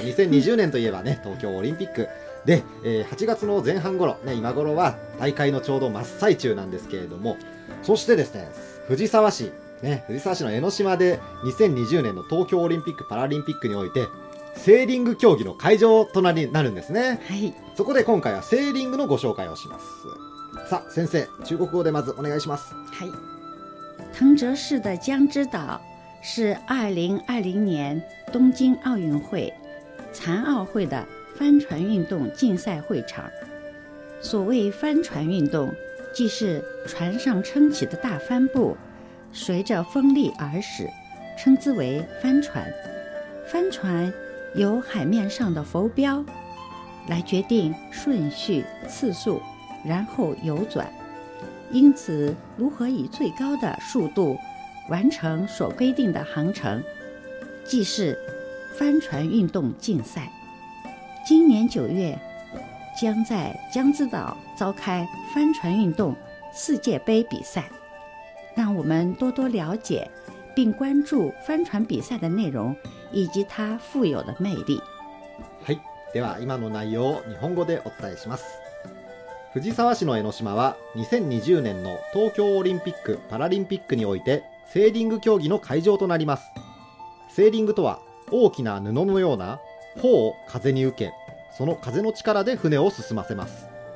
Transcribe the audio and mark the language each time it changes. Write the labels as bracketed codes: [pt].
[ja] 2020年といえばね、東京オリンピックで、8月の前半頃、ね、今頃は大会のちょうど真っ最中なんですけれども、そしてですね、藤沢市、ね、藤沢市の江ノ島で2020年の東京オリンピックパラリンピックにおいてセーリング競技の会場となりになるんですね、はい、そこで今回はセーリングのご紹介をします。さあ先生、中国語でまずお願いします。はい、 [zh] 藤泽市的江之岛是2020年东京奥运会残奥会的帆船运动竞赛会场。所谓帆船运动，即是船上撑起的大帆布随着风力而驶，称之为帆船。帆船由海面上的浮标来决定顺序次数，然后游转，因此如何以最高的速度完成所规定的航程，即是帆船运动竞赛。今年九月将在江之岛召开帆船运动世界杯比赛，让我们多多了解并关注帆船比赛的内容以及它富有的魅力。 [ja] はい、では今の内容を日本語でお伝えします。藤沢市の江ノ島は2020年の東京オリンピック・パラリンピックにおいてセーリング競技の会場となります。セーリングとは大きな布のような帆を風に受け、その風の力で船を進ませます。